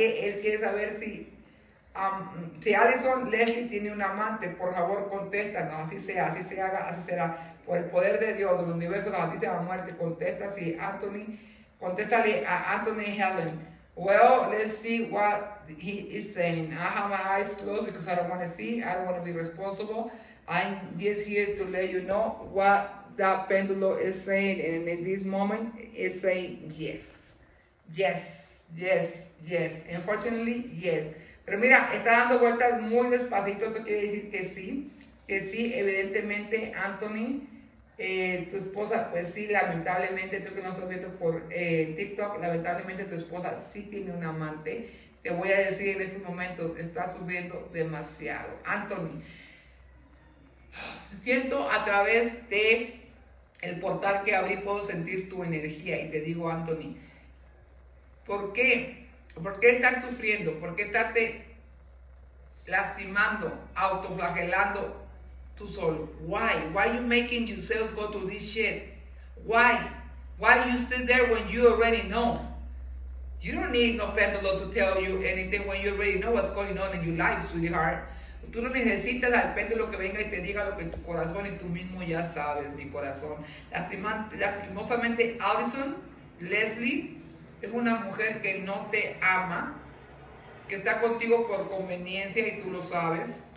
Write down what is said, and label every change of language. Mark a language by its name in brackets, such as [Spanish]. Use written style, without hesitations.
[Spanish] Él quiere saber si Allison Leslie tiene un amante. Por favor, contesta, no, así sea, así se haga, así será, por el poder de Dios, del universo, la noticia de la muerte, contesta, sí, Anthony, contéstale a Anthony Helen. [English] Well, let's see what he is saying. I have my eyes closed because I don't want to see, I don't want to be responsible. I'm just here to let you know what that pendulum is saying, and in this moment, it's saying yes, yes, yes, yes, unfortunately, yes. [Spanish] Pero mira, está dando vueltas muy despacito, esto quiere decir que sí, evidentemente, Anthony, tu esposa, pues sí, lamentablemente, tú que no estás viendo por TikTok, lamentablemente tu esposa sí tiene un amante. Te voy a decir en estos momentos, está subiendo demasiado. Anthony, siento a través del portal que abrí, puedo sentir tu energía, y te digo, Anthony, ¿por qué? ¿Por qué estar sufriendo? ¿Por qué estarte lastimando, autoflagelando tú solo? [English] Why? Why are you making yourself go through this shit? Why? Why are you still there when you already know? You don't need no pendulum to tell you anything when you already know what's going on in your life, sweetheart. [Spanish] Tú no necesitas al péndulo que venga y te diga lo que tu corazón y tú mismo ya sabes, mi corazón. Lastimosamente, Allison, Leslie, es una mujer que no te ama, que está contigo por conveniencia y tú lo sabes.